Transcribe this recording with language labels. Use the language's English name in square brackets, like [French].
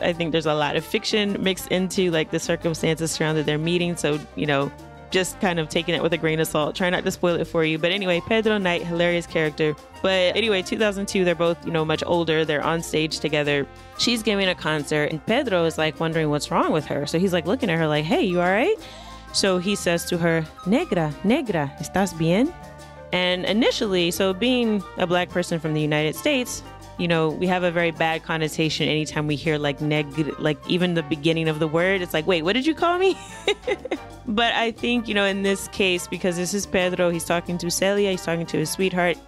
[English] I think there's a lot of fiction mixed into like the circumstances surrounding their meeting. So, you know, just kind of taking it with a grain of salt, try not to spoil it for you. But anyway, Pedro Knight, hilarious character. But anyway, 2002, they're both, you know, much older. They're on stage together. She's giving a concert and Pedro is like wondering what's wrong with her. So he's like looking at her like, hey, you all right? So he says to her, [Spanish] negra, negra, ¿estás bien? [English] And initially, so being a black person from the United States, you know, we have a very bad connotation anytime we hear like neg, like even the beginning of the word, it's like, wait, what did you call me? But I think, you know, in this case, because this is Pedro, he's talking to Celia, he's talking to his sweetheart.